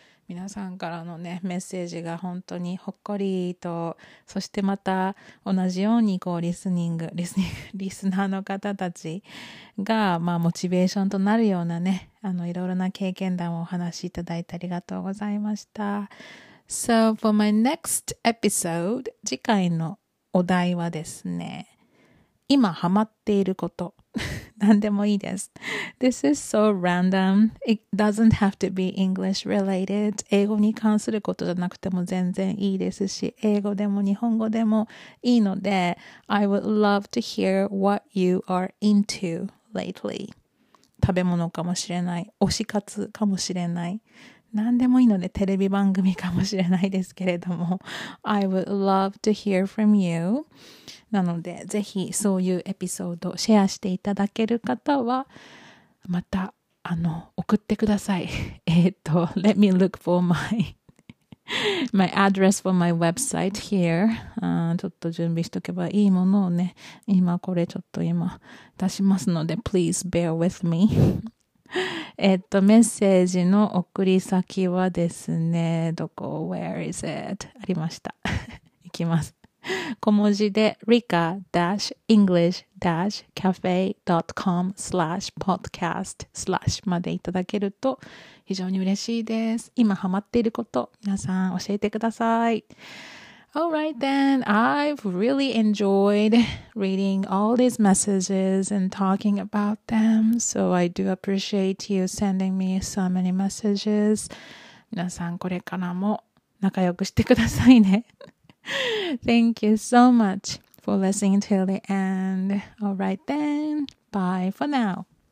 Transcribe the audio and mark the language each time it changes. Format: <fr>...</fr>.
<ja>皆さんからのねメッセージが本当にほっこりと、そしてまた同じようにこうリスニングリスナーの方たちが、まあ、モチベーションとなるようなね、あのいろいろな経験談をお話しいただいてありがとうございました。</ja> <en>So for my next episode,</en> <ja>次回のお題はですね、今ハマっていること何でもいいです。</ja> <en>This is so random. It doesn't have to be English related.</en> <ja>英語に関することじゃなくても全然いいですし、英語でも日本語でもいいので、</ja> <en>I would love to hear what you are into lately.</en> <ja>食べ物かもしれない。推し活かもしれない。何でもいいので、テレビ番組かもしれないですけれども。</ja> <en>I would love to hear from you.</en> <ja>なのでぜひそういうエピソードシェアしていただける方はまた送ってください。</ja> <en>Let me look for my address for my website here.</en> <ja>ちょっと準備しとけばいいものをね、今これちょっと今出しますので</ja> <en>please bear with me.</en> <ja>メッセージの送り先はですね、どこ</ja> <en>where is it?</en> <ja>ありました。いきます。小文字で rika-english-cafe.com/podcast/ までいただけると非常に嬉しいです。今ハマっていること、皆さん教えてください。</ja> <en>Alright then, I've really enjoyed reading all these messages and talking about them, so I do appreciate you sending me so many messages.</en> <ja>皆さんこれからも仲良くしてくださいね。</ja> <en>Thank you so much for listening till the end. All right then. Bye for now.</en>